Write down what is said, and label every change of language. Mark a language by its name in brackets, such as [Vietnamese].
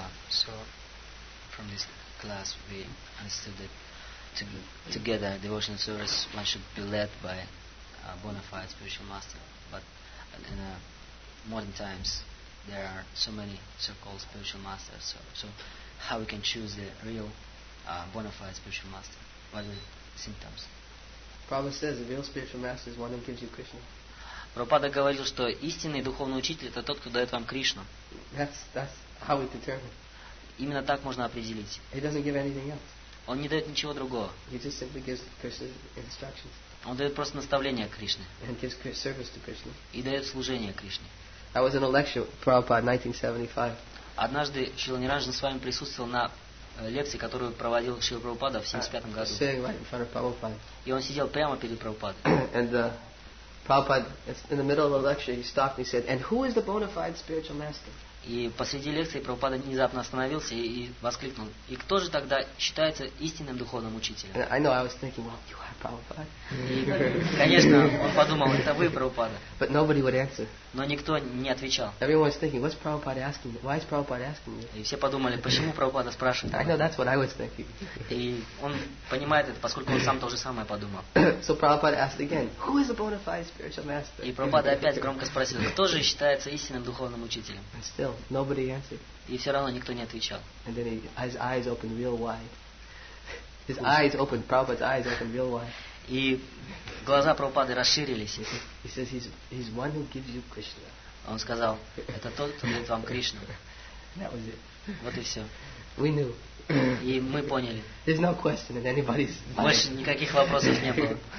[English] So from this class we understood that together devotional service one should be led by a bona fide spiritual master, but in modern times there are so many so-called spiritual masters, so how we can choose the real bona fide spiritual master? What are the symptoms? Prabhupada says the real spiritual master is one who gives you Krishna. [Russian] Prabhupada говорил, что истинный духовный учитель это тот, кто дает вам Кришну. [English] That's how we determine. [Russian] Именно так можно определить. [English] He doesn't give anything else. [Russian] Он не дает ничего другого. [English] He just simply gives Krishna instructions. [Russian] Он дает просто наставление Кришне. [English] And gives service to Krishna. [Russian] И дает служение Кришне. [English] I was in a lecture with Prabhupada in 1975. [Russian] Однажды Шрила Ниранджан с вами присутствовал на лекции, которую проводил Шрила Прабхупада в 75 году. [English] Sitting right in front of Prabhupada. [Russian] И он сидел прямо перед Прабхупадой. [English] And Prabhupada, in the middle of the lecture, he stopped and he said, "And who is the bona fide spiritual master?" [Russian] И посреди лекции Прабхупада внезапно остановился и воскликнул: «И кто же тогда считается истинным духовным учителем?» [English] I know, I was thinking, well, you are Prabhupada. [Russian] И, конечно, он подумал: «Это вы, Прабхупада». [English] But nobody would answer. [Russian] Но никто не отвечал. [English] Everyone was thinking, what's Prabhupada asking? Why is Prabhupada asking you? [Russian] И все подумали: «Почему Прабхупада спрашивает?» [English] I know, that's what I was thinking. [Russian] И он понимает это, поскольку он сам то же самое подумал. [English] So Prabhupada asked again, who is a bona fide spiritual master? [Russian] И Прабхупада опять громко спросил: «Кто же считается истинным духовным учителем?» [English] Still, nobody answered. [Russian] И все равно никто не отвечал. [English] And then his eyes opened real wide. His eyes opened. Prabhupada's eyes opened real wide. [Russian] И глаза Прабхупады расширились. [English] He says he's one who gives you Krishna. [Russian] Он сказал: это тот, кто дает вам Кришну. [English] That was it. [Russian] Вот и все. [English] We knew. [Russian] И мы поняли. [English] There's no question in anybody's mind. [Russian] Больше никаких вопросов не было.